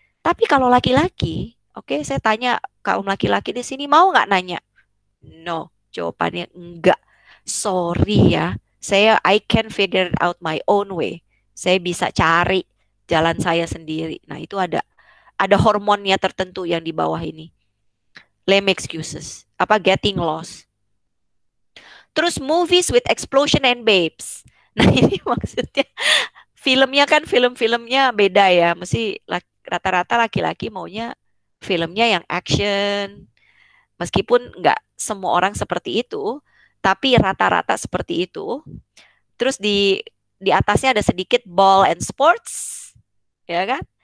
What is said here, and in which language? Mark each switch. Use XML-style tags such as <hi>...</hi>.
<id>Tapi kalau laki-laki, oke, saya tanya kaum laki-laki di sini, mau nggak nanya? No, jawabannya enggak.</id> <en>Sorry</en> <id>ya, saya</id> <en>I can figure out my own way.</en> <id>Saya bisa cari jalan saya sendiri. Nah, itu ada hormonnya tertentu yang di bawah ini.</id> <en>Lame excuses,</en> <id>apa</id> <en>getting lost.</en> <id>Terus</id> <en>movies with explosion and babes.</en> <id>Nah, ini maksudnya filmnya kan film-filmnya beda ya. Mesti rata-rata laki-laki maunya filmnya yang action. Meskipun nggak semua orang seperti itu, tapi rata-rata seperti itu. Terus di atasnya ada sedikit</id> <en>ball and sports,</en> <id>ya kan?</id>